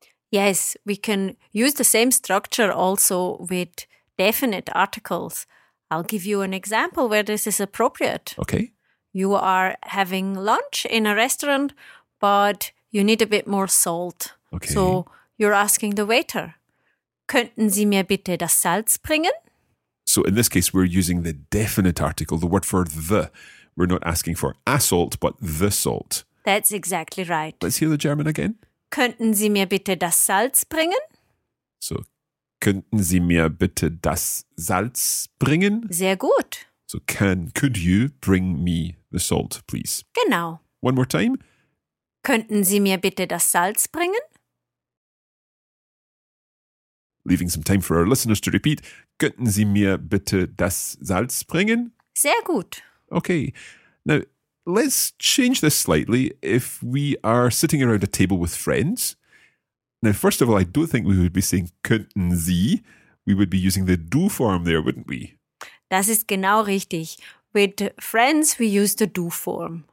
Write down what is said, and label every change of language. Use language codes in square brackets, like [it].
[en] Yes, we can use the same structure also with definite articles. I'll give you an example where this is appropriate. Okay. You are having lunch in a restaurant, but you need a bit more salt. Okay. So you're asking the waiter. [de] Könnten Sie mir bitte das Salz bringen? [en] So in this case, we're using the definite article, the word for the. We're not asking for a salt, but the salt. That's exactly right. Let's hear the German again. [de] Könnten Sie mir bitte das Salz bringen? So, könnten Sie mir bitte das Salz bringen? Sehr gut. [en] So, could you bring me the salt, please? [de] Genau. [en] One more time. [de] Könnten Sie mir bitte das Salz bringen? [en] Leaving some time for our listeners to repeat. [de] Könnten Sie mir bitte das Salz bringen? Sehr gut. [en] Okay. Now, let's change this slightly if we are sitting around a table with friends. Now, first of all, I don't think we would be saying [de] könnten Sie. [en] we would be using the do form there, wouldn't we? [de] Das ist genau richtig. [en] With friends, we use the do form.